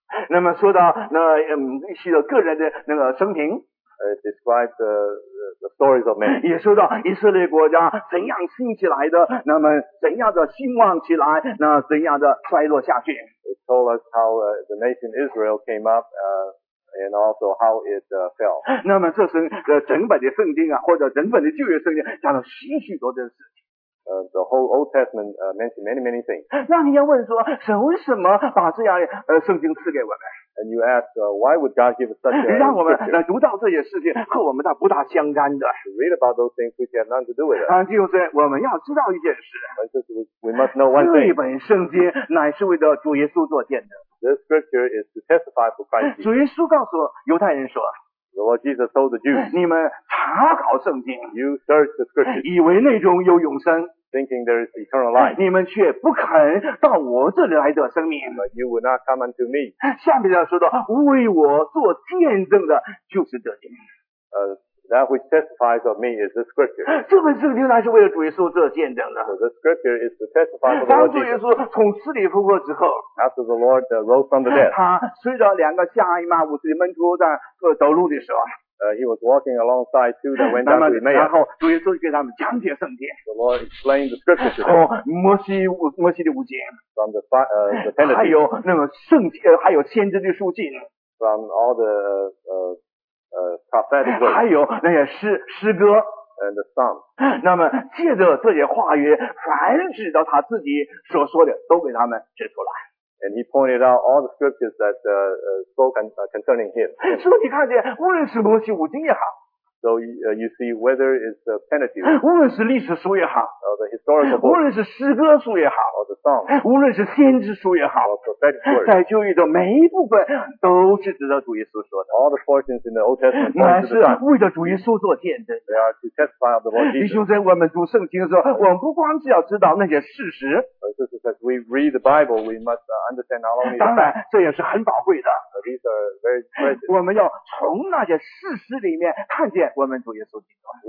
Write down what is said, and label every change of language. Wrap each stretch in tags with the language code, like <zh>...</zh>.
<zh>那么说到一些的个人的生平。</zh> <en>Describes the stories of men.</en> <zh>也说到以色列国家怎样兴起来的，那么怎样的兴旺起来，那怎样的衰落下去。</zh> <en>It told us how the nation Israel came up, and also how it fell.</en> <zh>那么这是整本的圣经啊，或者整本的旧约圣经讲了许许多的事情。</zh> <en>The whole Old Testament mentioned many, many things.</en> <zh>那你要问说，神为什么把这样圣经赐给我们？</zh> <en>And you ask, why would God give us such a scripture?</en> <zh>让我们来读到这些事情和我们的不大相干的。</zh> <en>Read about those things which have nothing to do with it.</en> <zh>弟兄姊妹，我们要知道一件事。</zh> <en>We must know one thing.</en> <zh>这本圣经乃是为了主耶稣做见证。</zh> <en>This scripture is to testify for Christ.</en> <zh>主耶稣告诉犹太人说。</zh> <en>The Lord Jesus told the Jews.</en> <zh>你们查考圣经。</zh> <en>You search the scripture.</en> <zh>以为内中有永生。</zh> <en>Thinking there is eternal life.</en> <zh>你们却不肯到我这里来得生命。</zh> <en>But you will not come unto me.</en> <zh>下面要说到为我做见证的就是这些。</zh> <en>That which testifies of me is the scripture.</en> <zh>这本圣经乃是为了主耶稣做见证的。</zh> <en>So the scripture is to testify for the Lord Jesus.</en> <zh>当主耶稣从死里复活之后。</zh> <en>After the Lord rose from the dead.</en> <zh>他随着两个下伊玛五岁门徒在走路的时候。</zh> <en>He was walking alongside two that went down to the</en> <zh>mayor. 然后主耶稣给他们讲解圣经。</zh> <en>The Lord explained the scripture to them.</en> <zh>从摩西的五经。</zh> <en>From the ten.</en> <zh>还有那个圣经，还有先知的书信。</zh> <en>From all the prophetic</en> <zh>books. 还有那些诗歌。</zh> <en>And the psalms.</en> <zh>那么借着这些话语，凡指着他自己所说的，都给他们指出来。</zh> <en>And he pointed out all the scriptures that spoke concerning him.</en> <zh>所以你看见，无论是摩西五经也好</zh> <en>，So you see whether it's the Pentateuch，</en> <zh>无论是历史书也好</zh> <en>，or the historical book，</en> <zh>无论是诗歌书也好</zh> <en>，or the song，</en> <zh>无论是先知书也好</zh> <en>，or prophetic word，</en> <zh>在旧约的每一部分都是指着主耶稣说的。</zh> <en>All the portions in the Old Testament</en> <zh>乃是为了主耶稣做见证。</zh> <en>They are to testify of the Lord Jesus.</en> <zh>弟兄们，我们读圣经的时候，我们不光是要知道那些事实。</zh> <en>As we read the Bible, we must understand not only the fact.</en> <zh>当然，这也是很宝贵的。</zh> <en>These are very precious.</en> <zh>我们要从那些事实里面看见我们主耶稣基督。</zh>